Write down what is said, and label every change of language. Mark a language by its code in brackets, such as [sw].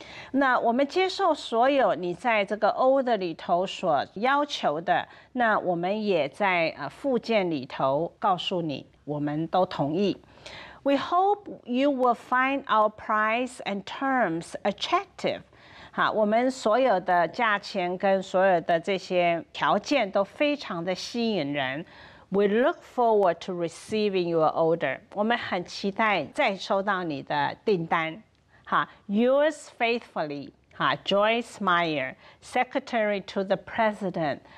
[zh] 那我们接受所有你在这个 order 里头所要求的，那我们也在附件里头告诉你，我们都同意。 [en] We hope you will find our price and terms attractive. [zh] 好，我们所有的价钱跟所有的这些条件都非常的吸引人。 [en] We look forward to receiving your order. [zh] 我们很期待再收到你的订单。 [en] 好 ，Yours faithfully. 好 ，Joyce Meyer, Secretary to the President.